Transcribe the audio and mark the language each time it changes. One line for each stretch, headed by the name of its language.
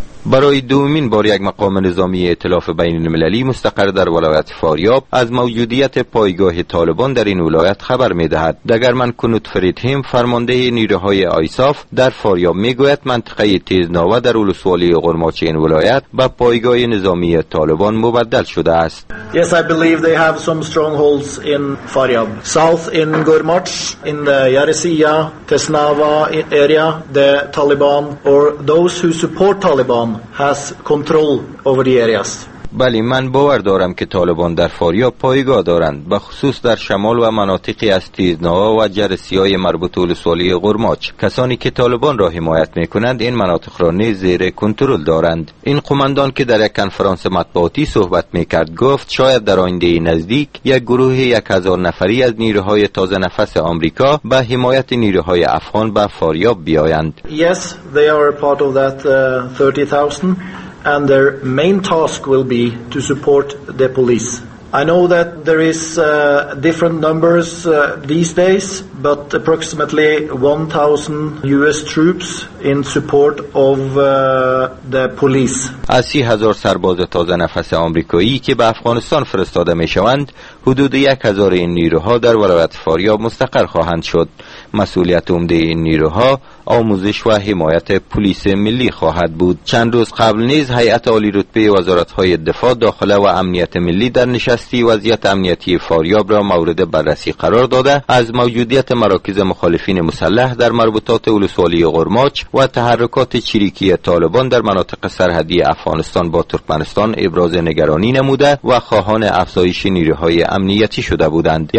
Persian: برای دومین بار یک مقام نظامی ائتلاف بین المللی مستقر در ولایت فاریاب از موجودیت پایگاه طالبان در این ولایت خبر می‌دهد. دگرمن کنوت فریدهیم فرمانده نیروهای آیساف در فاریاب می‌گوید منطقه تیزناوه در ولسوالی قرماچ این ولایت به پایگاه نظامی طالبان مبدل شده است.
English: Yes, I believe they have some strongholds in Faryab. South in Gurmach, in the Yarisiya, Tesnava area, the Taliban or those who support Taliban has control over the areas.
Persian: بلی، من باور دارم که طالبان در فاریاب پایگاه دارند، بخصوص در شمال و مناطقی از تیزناوا و جرسیای مربوط به ولسوالی قرماچ. کسانی که طالبان را حمایت میکنند این مناطق را نیز زیر کنترل دارند. این قمندان که در یک کنفرانس مطبوعاتی صحبت میکرد گفت شاید در آینده نزدیک یک گروه 1000 نفری از نیروهای تازه نفس آمریکا به حمایت نیروهای افغان به فاریاب بیایند.
English: Yes, they are a part of that 30,000. And their main task will be to support the police. I know that there is different numbers these days, but approximately 1,000 US troops in support of the police.
Persian: از 30,000 سرباز تازه نفس آمریکایی که به افغانستان فرستاده میشوند، حدود 1,000 این نیروها در ولایت فاریاب مستقر خواهند شد. مسئولیت عمده این نیروها آموزش و حمایت پلیس ملی خواهد بود. چند روز قبل نیز هیئت عالی رتبه وزارت‌های دفاع، داخله و امنیت ملی در نشستی وضعیت امنیتی فاریاب را مورد بررسی قرار داده، از موجودیت مراکز مخالفین مسلح در مربوطات ولسوالی قرماچ و تحرکات چریکی طالبان در مناطق سرحدی افغانستان با ترکمنستان ابراز نگرانی نموده و خواهان افزایش نیروهای امنیتی شده بودند.